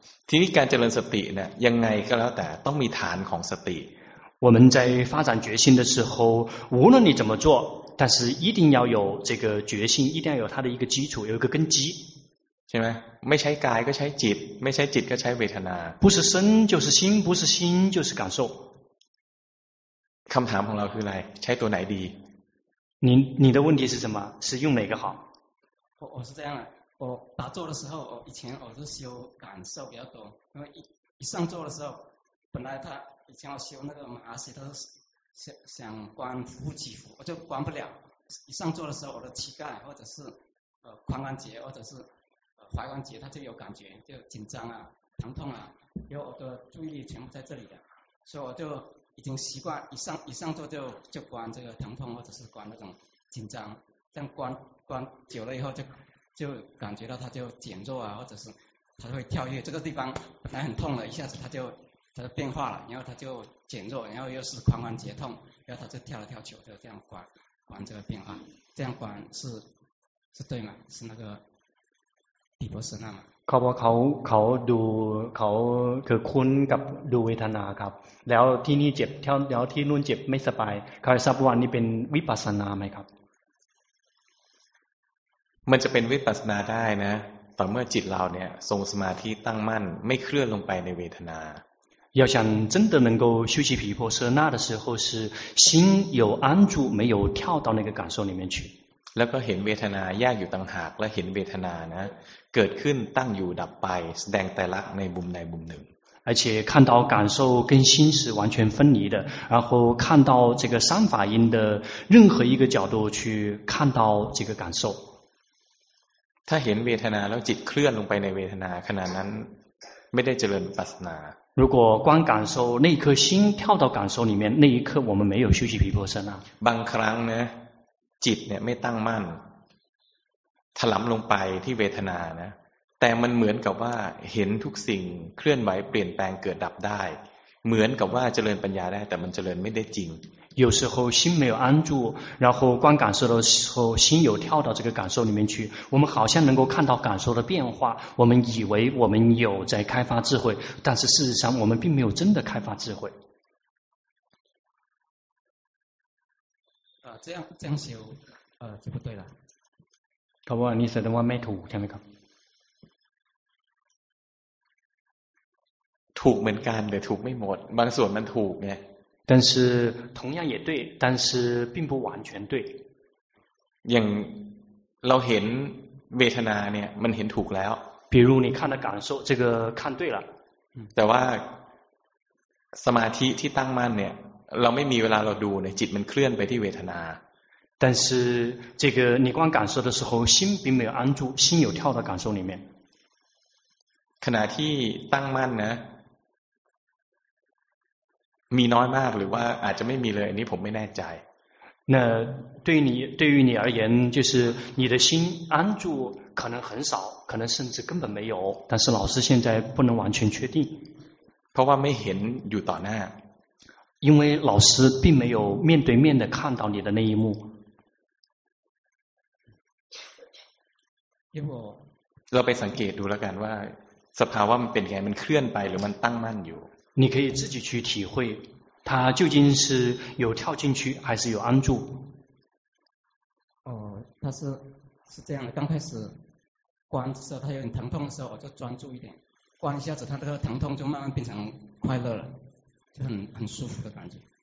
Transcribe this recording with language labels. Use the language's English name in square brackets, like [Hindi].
[Thai] ทีนี้การเจริญสติเนี่ยยังไงก็แล้วแต่ต้องมีฐานของสติ [Chinese] 我们在发展决心的时候无论你怎么做但是一定要有这个决心一定要有它的一个基础有一个根基 [Thai] ใช่ไหมไม่ใช้กายก็ใช้จิตไม่ใช้จิตก็ใช้เวทนา [Chinese] 不是身就是心不是心就是感受 [Thai] คำถามของเราคืออะไรใช้ตัวไหนดี [Chinese] 你的问题是什么是用哪个好我是这样的我打坐的时候我以前我是修感受比较多因为 一上坐的时候本来他以前我修那个麻西他是 想关腹部肌肤我就关不了一上坐的时候我的膝盖或者是髋关节或者是踝关节他就有感觉就紧张啊疼痛啊因为我的注意力全部在这里的所以我就已经习惯一上坐就关这个疼痛或者是关那种紧张但关久了以后就感觉到它就减弱啊，或者是它会跳跃。这个地方本来很痛了，一下子它就变化了，然后它就减弱，然后又是髋关节痛，然后它就跳来跳去，就这样关。管这个变化，这样管是对吗？是那个底波舍那吗？ [Thai] เขาบอกเขาดูเขาคือคุ้นกับดูเวทนาครับแล้วที่นี่เจ็บเท่าแล้วที่นู่นเจ็บไม่สบายเขาทราบว่านี่เป็นวิปัสสนาไหมครับ มันจะเป็นวิปัสสนาได้นะต่อเมื่อจิตเราเนี่ยทรงสมาธิตั้งมั่นไม่เคลื่อนลงไปในเวทนา [Chinese] 要想真的能够修习毗婆舍那的时候是心有安住没有跳到那个感受里面去 [Thai] แล้วก็เห็นเวทนาแยกอยู่ต่างหากและเห็นเวทนานะเกิดขึ้นตั้งอยู่ดับไปแสดงแต่ละในบุมใดบุมหนึ่ง [Chinese] 而且看到感受跟心是完全分离的然后看到这个三法印的任何一个角度去看到这个感受 [Thai] ถ้าเห็นเวทนาแล้วจิตเคลื่อนลงไปในเวทนาขณะนั้นไม่ได้เจริญปัสสนา [Chinese] 如果光感受那一颗心跳到感受里面那一刻我们没有休息毗婆舍那 [Thai] บางครั้งนะจิตเนี่ยไม่ตั้งมั่นถลำลงไปที่เวทนานะแต่มันเหมือนกับว่าเห็นทุกสิ่งเคลื่อนไหวเปลี่ยนแปลงเกิดดับได้เหมือนกับว่าเจริญปัญญาได้แต่มันเจริญไม่ได้จริง [Chinese] 有时候心没有安住然后观感受的时候心有跳到这个感受里面去我们好像能够看到感受的变化我们以为我们有在开发智慧但是事实上我们并没有真的开发智慧这样修就不对了。 [Thai] เขาว่านี่แสดงว่าไม่ถูกใช่ไหมครับ？ ถูกเหมือนกันแต่ถูกไม่หมดบางส่วนมันถูกไง [Chinese] 但是同样也对但是并不完全对 [Thai] อย่างเราเห็นเวทนาเนี่ยมันเห็นถูกแล้ว [Chinese] 比如你看的感受这个看对了 [Thai] แต่ว่าสมาธิที่ตั้งมั่นเนี่ยเราไม่มีเวลาเราดูเนี่ยจิตมันเคลื่อนไปที่เวทนา [Chinese] 但是这个你光感受的时候心并没有安住心有跳到感受里面 [Thai] ขณะที่ตั้งมั่นนะมีน้อยมากหรือว่าอาจจะไม่มีเลยอันนี้ผมไม่แน่ใจ [Chinese] 那对于你而言就是你的心安住可能很少可能甚至根本没有但是老师现在不能完全确定 [Thai] เพราะว่าไม่เห็นอยู่ต่อหน้า [Chinese] 因为老师并没有面对面的看到你的那一幕因为我 [Thai] เราไปสังเกตดูแล้วกันว่าสภาวะมันเป็นไงมันเคลื่อนไปหรือมันตั้งมั่นอยู่ [Chinese] 你可以自己去体会它究竟是有跳进去还是有安住哦它是这样的刚开始关的时候它有点疼痛的时候我就专注一点关一下子它这个疼痛就慢慢变成快乐了很舒服的感觉